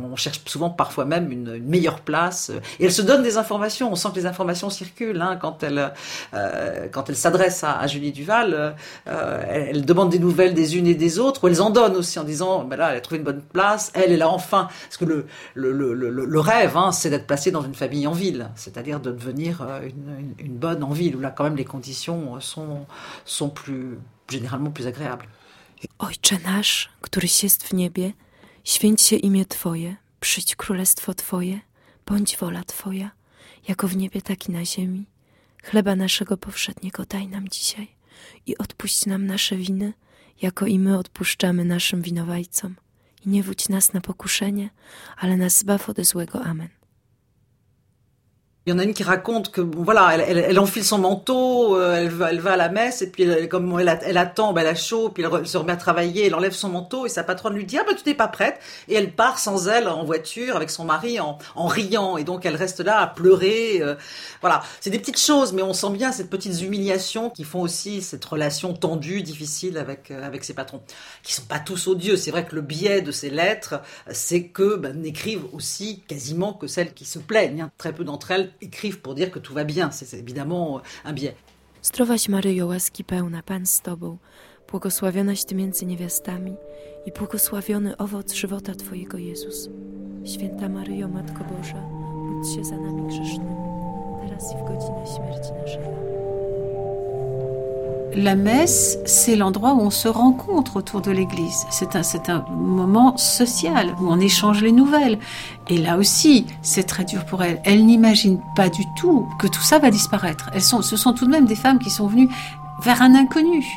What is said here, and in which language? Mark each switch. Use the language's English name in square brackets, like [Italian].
[French] On cherche souvent parfois même une meilleure place. Et elle se donne des informations, on sent que les informations circulent hein, quand elle s'adresse à Julie Duval, elle demande des nouvelles des unes et des autres, ou elle en donne aussi en disant, ben là, elle a trouvé une bonne place, elle est là enfin, parce que le rêve, hein, c'est d'être placée dans une famille en ville, c'est-à-dire de devenir une bonne en ville, où là, quand même, les conditions sont plus, généralement plus agréables. [Polish] Ojcze nasz, któryś jest w niebie, święć się imię Twoje, przyjdź królestwo Twoje, bądź wola Twoja, jako w niebie, tak i na ziemi. Chleba naszego powszedniego daj nam dzisiaj i odpuść nam nasze winy, jako i my odpuszczamy naszym winowajcom. I nie wódź nas na pokuszenie, ale nas zbaw od złego. Amen. [French] Il y en a une qui raconte que bon, voilà, elle enfile son manteau, elle va à la messe, et puis elle attend, elle a chaud, puis elle se remet à travailler, elle enlève son manteau, et sa patronne lui dit « Ah ben, tu n'es pas prête !» Et elle part sans elle en voiture avec son mari en riant, et donc elle reste là à pleurer. Voilà, c'est des petites choses, mais on sent bien ces petites humiliations qui font aussi cette relation tendue, difficile avec ses patrons, qui sont pas tous odieux. C'est vrai que le biais de ces lettres, c'est que n'écrivent aussi quasiment que celles qui se plaignent, hein. Très peu d'entre elles écrivent pour dire que tout va bien, c'est évidemment un biais. [Polish] Zdrowaś Maryjo, łaski pełna, Pan z Tobą, błogosławionaś Ty między niewiastami i błogosławiony owoc żywota Twojego, Jezus. Święta Maryjo, Matko Boża, módl się za nami grzesznymi, teraz i w godzinę śmierci naszej. [French] La messe, c'est l'endroit où on se rencontre autour de l'église. C'est un moment social où on échange les nouvelles. Et là aussi, c'est très dur pour elle. Elle n'imagine pas du tout que tout ça va disparaître. Ce sont tout de même des femmes qui sont venues vers un inconnu.